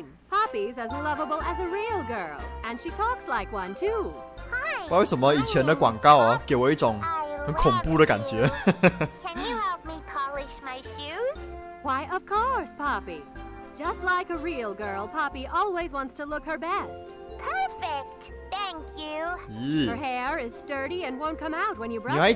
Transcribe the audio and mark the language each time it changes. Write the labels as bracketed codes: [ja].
[en] Poppy's as lovable as a real girl, and she talks like one too. Hi. [zh] 为什么以前的广告啊，给我一种很恐怖的感觉 [en] Can you help me polish my shoes? Why, of course, Poppy. Just like a real girl, Poppy always wants to look her best. Perfect. Thank you. Her hair is sturdy and won't come out when you brush.